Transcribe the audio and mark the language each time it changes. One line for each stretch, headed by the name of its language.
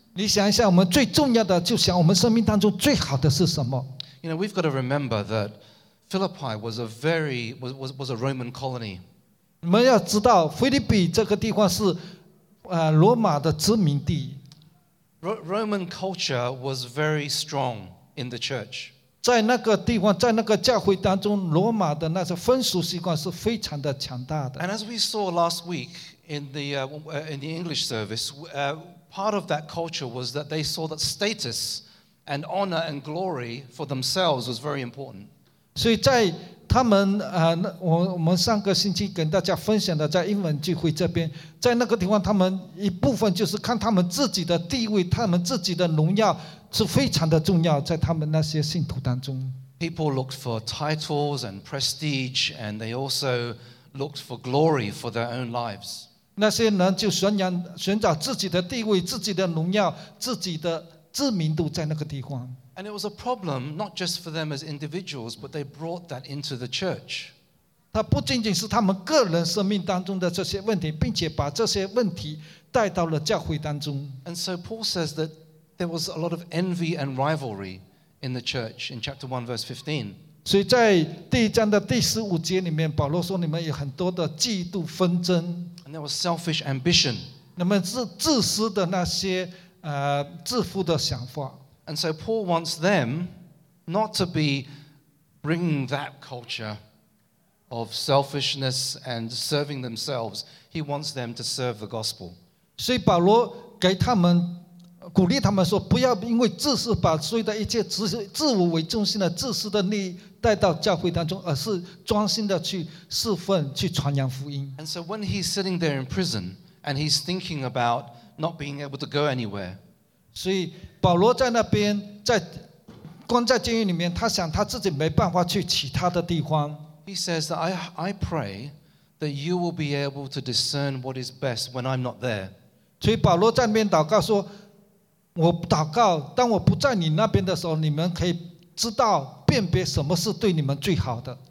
Chinese: 你想一下，我们最重要的就想我们生命当中最好的是什么？
English: You know, we've got to remember that Philippi was a Roman colony.
Chinese: 你们要知道，腓立比这个地方是罗马的殖民地。
English: Roman culture was very strong in the church.
Chinese: 在那个地方，在那个教会当中，罗马的那些风俗习惯是非常的强大的。
English: And as we saw last week in the English service, part of that culture was that they saw that status and honor and glory for themselves was very important.
Chinese: 所以在他们我们上个星期跟大家分享的，在英文聚会这边，在那个地方，他们一部分就是看他们自己的地位，他们自己的荣耀是非常的重要，在他们那些信徒当中。
English: People looked for titles and prestige, and they also looked for glory for their own lives.
Chinese: 那些人就寻找自己的地位、自己的荣耀、自己的知名度，在那个地方。
English: And it was a problem not just for them as individuals, but they brought that into the church.
Chinese: 它不仅仅是他们个人生命当中的这些问题，并且把这些问题带到了教会当中。
English: And so Paul says that there was a lot of envy and rivalry in the church in chapter 1, verse 15.
Chinese: 所以在第一章的第十五节里面，保罗说你们有很多的嫉妒纷争。
English: And there was selfish ambition.
Chinese: 那么是自私的那些自负的想法。
English: And so Paul wants them not to be bringing that culture of selfishness and serving themselves. He wants them to serve the gospel.
Chinese: 所以保罗给他们鼓励他们说，不要因为自私把所有的一切自我为中心的自私的利益带到教会当中，而是专心的去侍奉，去传扬福音。
English: And so when he's sitting there in prison and he's thinking about not being able to go anywhere.
Chinese: 所以保罗在那边在关在监狱里面，他想他自己没办法去其他的地方。
English: He says that I pray that you will be able to discern what is best when I'm not there.
Chinese: 所以保罗在那边祷告说，我祷告当我不在你那边的时候，你们可以知道辨别什么是对你们最好的。